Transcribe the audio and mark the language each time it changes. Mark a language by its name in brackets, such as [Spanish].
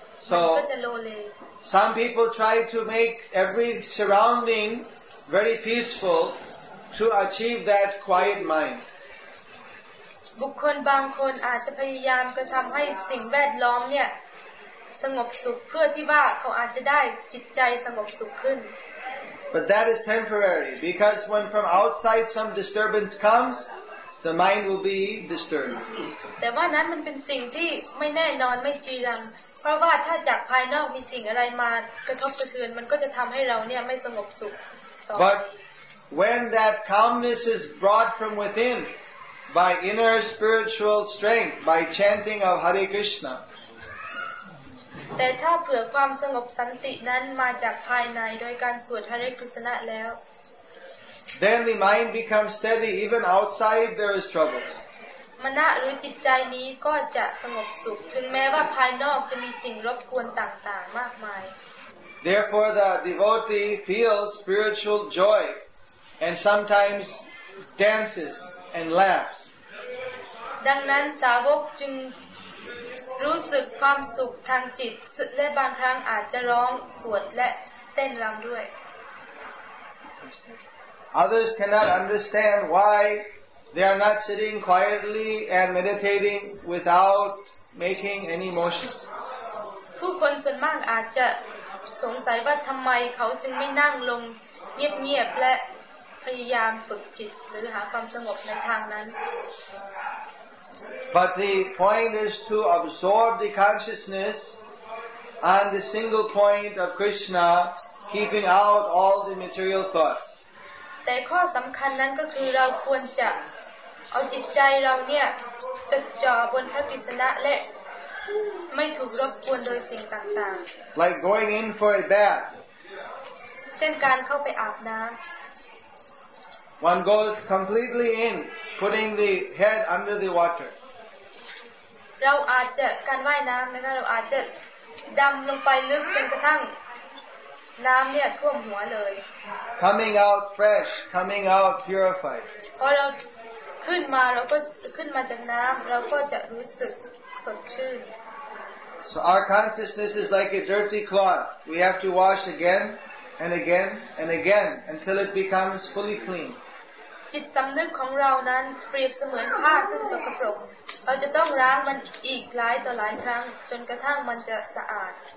[English] So some people try to make every surrounding very peaceful to achieve that quiet mind. [Thai] บุคคลบางคนอาจจะพยายามกระทำให้สิ่งแวดล้อมเนี่ยสงบสุขเพื่อที่ว่าเขาอาจจะได้จิตใจสงบสุขขึ้น [English] But that is temporary because when from outside some disturbance comes the mind will be disturbed [Thai] แต่ว่านั้นมันเป็นสิ่งที่ไม่แน่นอนไม่จริงเพราะว่าถ้าจากภายนอกมีสิ่งอะไรมากระทบกระเทือนมันก็จะทำให้เราเนี่ยไม่สงบสุข [English] But when that calmness is brought from withinby inner spiritual strength by chanting of hare krishna [Thai] แต่ถ้าเผื่อความสงบสันตินั้นมาจากภายในโดยการสวดหริคุสนะแล้ว [English] then the mind becomes steady even outside there is trouble [Thai] มนะหรือจิตใจนี้ก็จะสงบสุขถึงแม้ว่าภายนอกจะมีสิ่งรบกวนต่างๆมากมาย [English] therefore the devotee feels spiritual joy and sometimes dancesAnd laughs. [Thai] ดังนั้นสาวกจึงรู้สึกความสุขทางจิตและบางครั้งอาจจะร้องสวดและเต้นรำด้วย [English] Others cannot understand why they are not sitting quietly and meditating without making any motion. [Thai] ผู้คนส่วนมากอาจจะสงสัยว่าทำไมเขาจึงไม่นั่งลงเงียบๆและพยายามฝึกจิตหรือหาความสงบในทางนั้น [English] But the point is to absorb the consciousness on the single point of Krishna keeping out all the material thoughts [Thai] แต่ข้อสำคัญนั้นก็คือเราควรจะเอาจิตใจเราเนี่ยจดจ่อบนพระกฤษณะและไม่ถูกรบกวนโดยสิ่งต่าง [English] ๆ Like going in for a bath [Thai] เช่นการเข้าไปอาบน้ำ [English] One goes completely in, putting the head under the water. [Thai] เราอาจจะการว่ายน้ำนะคะเราอาจจะดำลงไปลึกจนกระทั่งน้ำเนี่ยท่วมหัวเลย [English] Coming out fresh, coming out purified. [Thai] พอเราขึ้นมาเราก็ขึ้นมาจากน้ำเราก็จะรู้สึกสดชื่น [English] So our consciousness is like a dirty cloth. We have to wash again. And again and again until it becomes fully clean. [Thai] จิตสำนึกของเรานั้นเปรียบเสมือนผ้าซึ่งสกปรกเราจะต้องล้างมันอีกหลายต่อหลายครั้งจนกระทั่งมันจะสะอาด